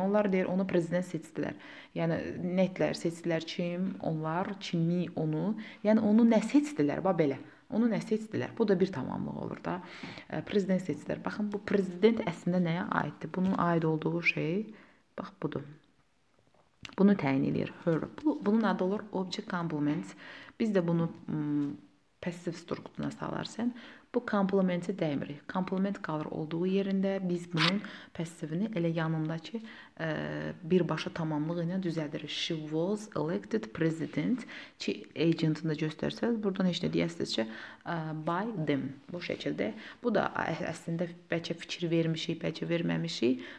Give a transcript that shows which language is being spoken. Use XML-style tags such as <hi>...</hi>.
<az>Onlar deyir, onu prezident seçdilər. Yəni, netlər seçdilər, kim, onlar, kimi, onu. Yəni, onu nə seçdilər, bax belə. Onu nə seçdilər? Bu da bir tamamlıq olur da. Prezident seçdilər. Baxın, bu prezident əslində nəyə aiddir? Bunun aid olduğu şey, bax, budur. Bunu təyin edir. Bunun adı olur object complement. Biz də bunu passive strukturuna salarsan, bu complement-i dəymirik. Complement qalır olduğu yerində, biz bunun passive-ini elə yanındakı birbaşa tamamlığı ilə düzəldirik.</az> <en>She was elected president.</en> <az>Ki, agent-ını da göstərsəniz, buradan heç nə deyəsiniz ki,</az> <en>by them.</en> <az>Bu şəkildə. Bu da əslində bəlkə fikir vermişik, bəlkə verməmişik.</az>